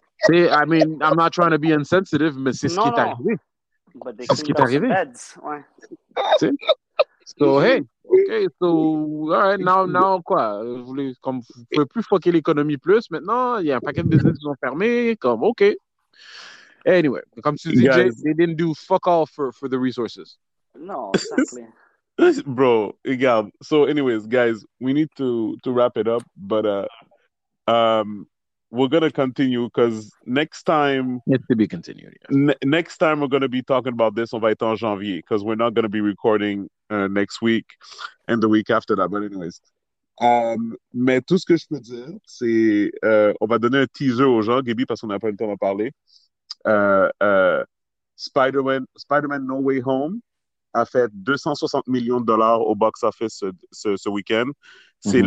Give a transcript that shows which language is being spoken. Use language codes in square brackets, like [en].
[en] I mean, I'm not trying to be insensitive, [fr] mais c'est ce qui est arrivé. C'est ce qui est arrivé. Ouais. [en] So, hey, okay, so, all right, now quoi? [fr] Vous ne pouvez plus fucker l'économie plus maintenant. Il y a un paquet de business qui sont fermés. Comme, OK. [en] Anyway, [fr] comme tu dis, [en] Jay, they didn't do fuck all for the resources. No, exactly. Bro, yeah. So anyways, guys, we need to wrap it up, but we're going to continue because next time... It's to be continued, yes. Next time we're going to be talking about this, [fr] on va être en janvier, [en] because we're not going to be recording next week and the week after that, but anyways. [fr] Mais tout ce que je peux dire, c'est on va donner un teaser aux gens, Gabby, parce qu'on n'a pas le temps à parler. Spider-Man No Way Home a fait $260 million au box office ce week-end. C'est mm-hmm.